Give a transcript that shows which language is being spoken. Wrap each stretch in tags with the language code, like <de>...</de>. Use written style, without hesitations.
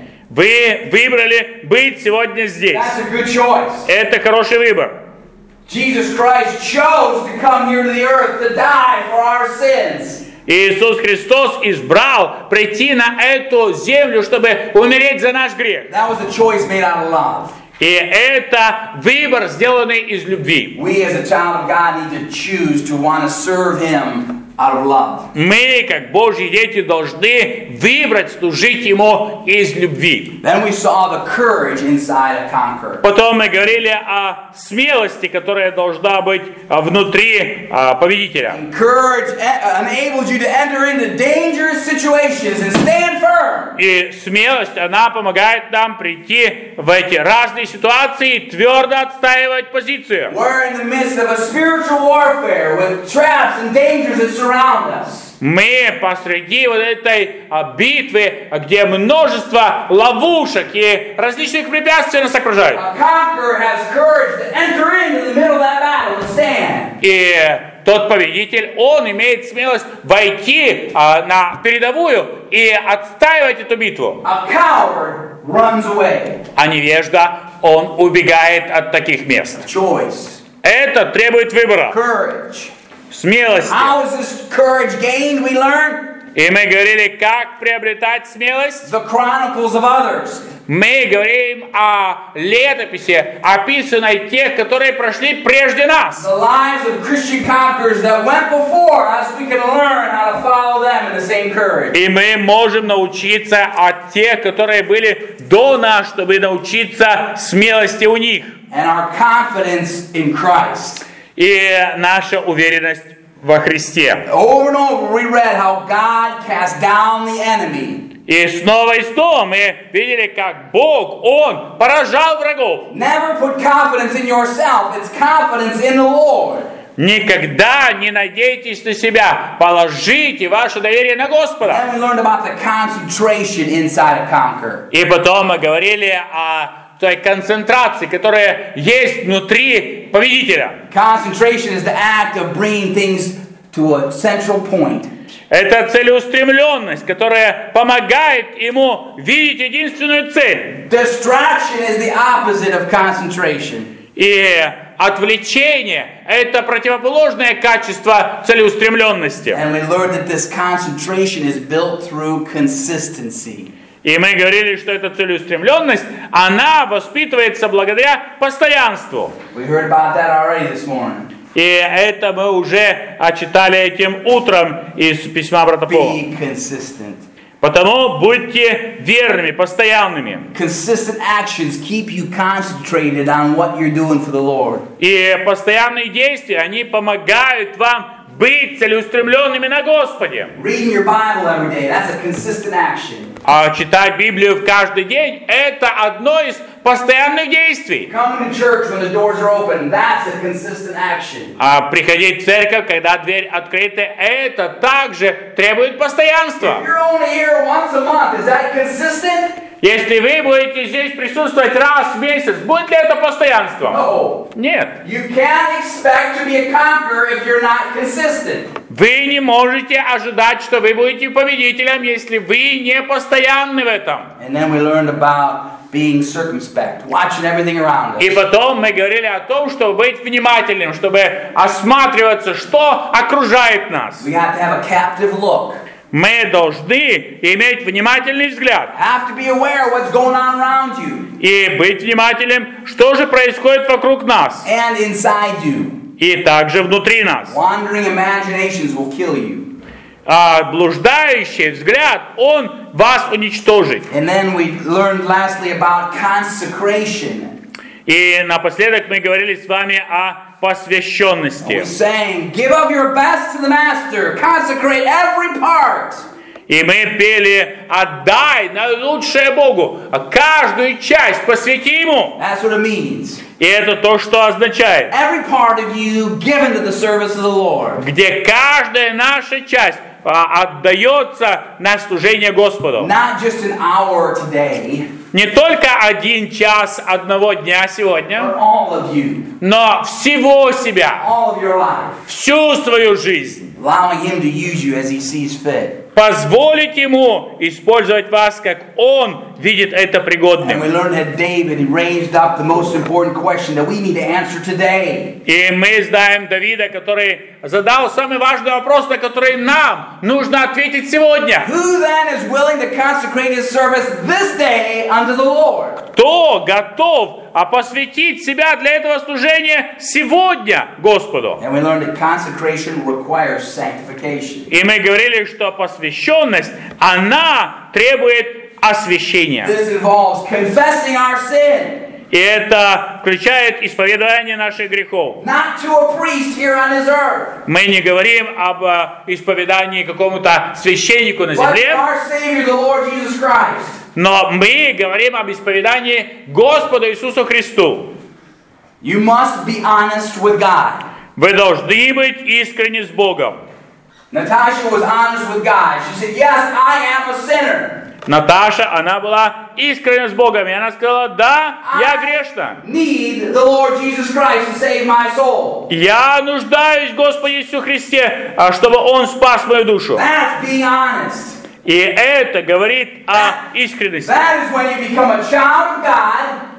<ru>Вы выбрали быть сегодня здесь. Это хороший выбор.</ru> <en>Jesus Christ chose to come here to the earth to die for our sins.</en> <ru>Иисус Христос избрал прийти на эту землю, чтобы умереть за наш грех.</ru> <en>That was a choice made out of love.</en> <ru>И это выбор, сделанный из любви.</ru> <en>We as a child of God need to choose to want to serve Him out of love.</en> <ru>Мы, как Божьи дети, должны выбрать служить Ему из любви.</ru> <en>Then we saw the courage inside a conqueror.</en> <ru>Потом мы говорили о смелости, которая должна быть внутри победителя.</ru> <en>Courage enables you to enter into dangerous situations and stand firm.</en> <ru>И смелость, она помогает нам прийти в эти разные ситуации и твердо отстаивать позицию.</ru> <en>We're in the midst of a spiritual warfare with traps and dangers that surround us.</en> <ru>Мы посреди вот этой битвы, где множество ловушек и различных препятствий нас окружают.</ru> <en>A conqueror has courage to enter into the middle of that battle and stand.</en> <ru>И тот победитель, он имеет смелость войти на передовую и отстаивать эту битву.</ru> <en>A coward runs away.</en> <ru>А невежда, он убегает от таких мест.</ru> <en>A choice.</en> <ru>Это требует выбора.</ru> <en>Courage.</en> <ru>Смелости.</ru> <en>How is this courage gained, we learn?</en> <ru>И мы говорили, как приобретать смелость.</ru> <en>The chronicles of others.</en> <ru>Мы говорим о летописи, описанной тех, которые прошли прежде нас.</ru> <en>The lives of Christian conquerors that went before us, we can learn how to follow them in the same courage.</en> <ru>И мы можем научиться от тех, которые были до нас, чтобы научиться смелости у них.</ru> <en>And our confidence in Christ.</en> <ru>И наша уверенность во Христе.</ru> <en>Over and over we read how God cast down the enemy.</en> <ru>И снова и снова мы видели, как Бог, Он поражал врагов.</ru> <en>Never put confidence in yourself. It's confidence in the Lord.</en> <ru>Никогда не надейтесь на себя. Положите ваше доверие на Господа.</ru> <en>Then we learned about the concentration inside a conqueror.</en> <ru>И потом мы говорили о той концентрации, которая есть внутри победителя.</ru> <en>Concentration is the act of bringing things to a central point.</en> <ru>Это целеустремленность, которая помогает ему видеть единственную цель.</ru> <en>Distraction is the opposite of concentration.</en> <ru>И отвлечение — это противоположное качество целеустремленности.</ru> <en>And we learned that this concentration is built through consistency.</en> <ru>И мы говорили, что эта целеустремленность, она воспитывается благодаря постоянству.</ru> <en>We heard about that already this morning.</en> <ru>И это мы уже читали этим утром из письма брата Пола.</ru> <en>Be consistent.</en> <ru>Потому будьте верными, постоянными.</ru> <en>Consistent actions keep you concentrated on what you're doing for the Lord.</en> <ru>И постоянные действия, они помогают вам быть целеустремленными на Господе.</ru> <en>Reading your Bible every day, that's a consistent action.</en> <ru>А читать Библию каждый день — это одно из постоянных действий.</ru> <en>Coming to church when the doors are open, that's a consistent action.</en> <ru>А приходить в церковь, когда дверь открыта, это также требует постоянства.</ru> <en>If you're only here once a month, is that consistent?</en> <ru>Если вы будете здесь присутствовать раз в месяц, будет ли это постоянством?</ru> <en>No.</en> <ru>Нет.</ru> <en>You can't expect to be a conqueror if you're not consistent.</en> <ru>Вы не можете ожидать, что вы будете победителем, если вы не постоянны в этом.</ru> <en>And then we learned about being circumspect, watching everything around us.</en> <ru>И потом мы говорили о том, чтобы быть внимательным, чтобы осматриваться, что окружает нас.</ru> <en>We have to have a captive look.</en> <ru>Мы должны иметь внимательный взгляд.</ru> <en>Have to be aware of what's going on around you.</en> <ru>И быть внимательным, что же происходит вокруг нас.</ru> <en>And inside you.</en> <ru>И также внутри нас.</ru> <en>Wandering imaginations will kill you.</en> <ru>А блуждающий взгляд, он вас уничтожит.</ru> <en>And then we learned lastly about consecration.</en> <ru>И напоследок мы говорили с вами о посвященности.</ru> <en>We're saying, give of your best to the master, consecrate every part.</en> <ru>И мы пели, отдай наилучшее Богу, каждую часть посвяти Ему.</ru> <en>That's what it means.</en> <ru>И это то, что означает.</ru> <en>Every part of you given to the service of the Lord.</en> <ru>Где каждая наша часть отдается на служение Господу.</ru> <en>Not just an hour today,</en> <ru>не только один час одного дня сегодня,</ru> <en>but all of you,</en> <ru>но всего себя,</ru> <en>all of your life,</en> <ru>всю свою жизнь.</ru> <en>Allowing him to use you as he sees fit.</en> <ru>Позволить ему использовать вас, как он видит это пригодным. И мы знаем Давида, который задал самый важный вопрос, на который нам нужно ответить сегодня.</ru> <en>Who then is willing to consecrate his service this day unto the Lord?</en> <ru>Кто готов посвятить себя для этого служения сегодня Господу?</ru> <en>And we learned that consecration requires sanctification.</en> <ru>И мы говорили, что посвященность, она требует освящения.</ru> <en>This involves confessing our sin.</en> <ru>И это включает исповедание наших грехов.</ru> <en>Not to a priest here on his earth.</en> <ru>Мы не говорим об исповедании какому-то священнику на земле.</ru> <en>But our Savior, the Lord Jesus Christ.</en> <ru>Но мы говорим об исповедании Господу Иисусу Христу.</ru> <en>You must be honest with God.</en> <ru>Вы должны быть искренни с Богом.</ru> <en>Natasha was honest with God. She said, "Yes, I am a sinner."</en> <ru>Наташа, она была искренна с Богом, и она сказала: "Да, я грешна.</ru> <en>Need the Lord Jesus Christ to save my soul."</en> <ru>Я нуждаюсь в Господе Иисусе Христе, чтобы Он спас мою душу.</ru> <en>That's being honest.</en> <ru>И это говорит о искренности.</ru> <en>That is when you become a child of God.</en>